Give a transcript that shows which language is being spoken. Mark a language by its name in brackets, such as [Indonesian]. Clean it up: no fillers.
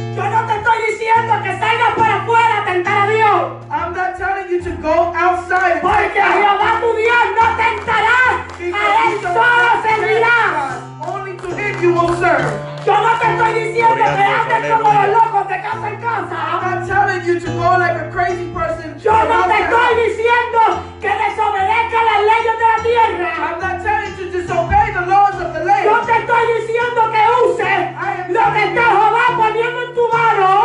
[Spanish] Yo no te estoy diciendo que salgas para afuera a tentar a Dios. [English] I'm not telling you to go outside. [Spanish] Porque Jehová tu Dios no tentará. A Él solo servirás. [English] Only to Him you will serve. [Spanish] Yo no te estoy diciendo que andes como los locos de casa en casa. [English] I'm not telling you to go like a crazy person. [Spanish] Yo no te estoy diciendo que desobedezca las leyes de la tierra. [English] I'm not telling you to disobey the laws of the land. [Spanish] Yo te estoy diciendo que uses lo que está Jehová poniendo en tu mano.